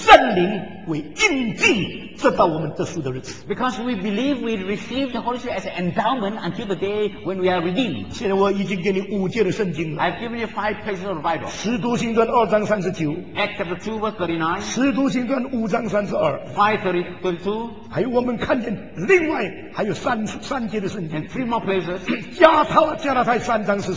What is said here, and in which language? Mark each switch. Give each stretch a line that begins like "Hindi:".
Chinese: 我们因信就领受了圣灵为印记, 直到我们得赎的日子,
English: because we believe we receive the Holy Spirit as an endowment until the day when we are redeemed.
Chinese: 现在我已经给你5卷的圣经了,
English: I've given you 5 places of the Bible.
Chinese: 使徒行传2:39,
English: Acts chapter 2:39,
Chinese: 使徒行传5:32, 5:32, 还有我们看见另外还有三节的圣经,
English: and 3 more places,
Chinese: 加拉太3:14,